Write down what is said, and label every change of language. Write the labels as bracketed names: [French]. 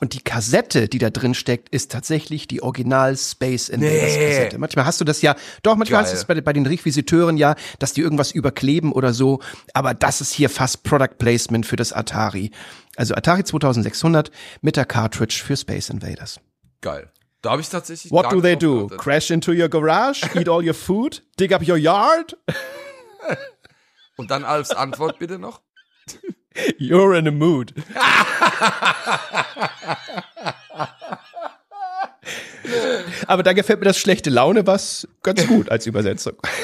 [German] Und die Kassette, die da drin steckt, ist tatsächlich die Original Space Invaders-Kassette. Nee. Manchmal hast du das ja, doch, manchmal Geil. Hast du es bei den Requisiteuren ja, dass die irgendwas überkleben oder so. Aber das ist hier fast Product Placement für das Atari. Also Atari 2600 mit der Cartridge für Space Invaders. Geil. Da habe ich tatsächlich. [English] What do they do? Crash into your garage, eat all your food, dig up your yard? [German] Und dann Alfs Antwort bitte noch. [English] You're in a mood. [German] Aber da gefällt mir das schlechte Laune was ganz gut als Übersetzung.